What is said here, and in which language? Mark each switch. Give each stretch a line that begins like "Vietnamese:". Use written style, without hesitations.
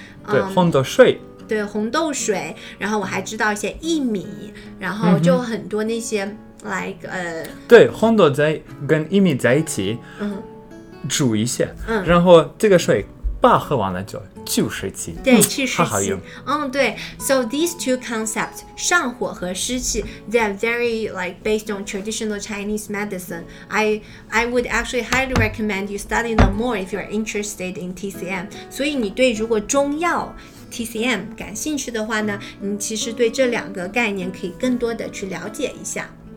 Chinese: 对红豆水对红豆水然后我还知道一些薏米然后就很多那些、like 对红豆在跟薏米在一起、煮一些、然后这个水爸喝完了就湿气，对，去湿气。好好用。对。
English: So these two concepts,
Chinese: 上火和湿气,
English: they are very like based on traditional Chinese medicine. I would actually highly recommend you study them more if you are interested in TCM.
Chinese: 所以你对如果中药 TCM 感兴趣的话呢，你其实对这两个概念可以更多的去了解一下。